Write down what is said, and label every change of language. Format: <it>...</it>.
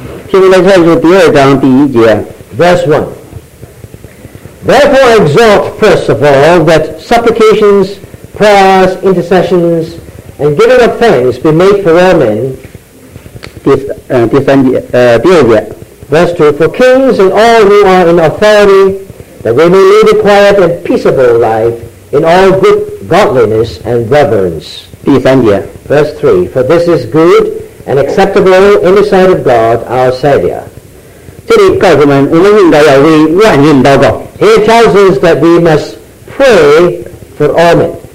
<zh>希伯来书第二章第一节。</zh> <en>Verse 1. Therefore I exhort first of all that supplications, prayers, intercessions, and giving of thanks be made for all men.</en> <zh>第二节。</zh> <en>Verse 2. For kings and all who are in authority, that we may lead a quiet and peaceable life in all good godliness and reverence.</en> <zh>第三节。</zh> <en>Verse 3. For this is good and acceptable in the sight of God, our Savior.</en> <zh>这里告诉我们，我们应该要为万人祷告。</zh> <en>He tells us that we must pray for all men.</en>